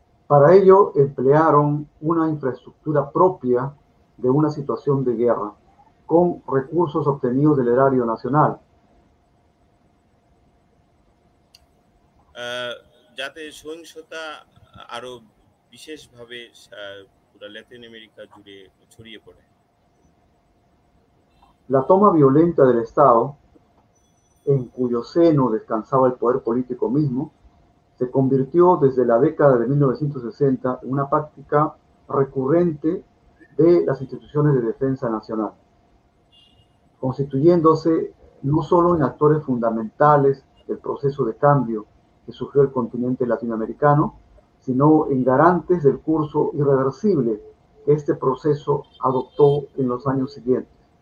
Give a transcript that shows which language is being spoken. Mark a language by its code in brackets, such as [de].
[es] Para ello emplearon una infraestructura propia de una situación de guerra, con recursos obtenidos del erario nacional. [bn] যাতে সহিংসতা আরো বিশেষভাবে পুরো Latin America জুড়ে ছড়িয়ে পড়ে। [es] La toma violenta del Estado, en cuyo seno descansaba el poder político mismo, se convirtió desde la década de 1960 en una práctica recurrente de las instituciones de defensa nacional, constituyéndose no solo en actores fundamentales del proceso de cambio que sufrió el continente latinoamericano, sino en garantes del curso irreversible que este proceso adoptó en los años siguientes.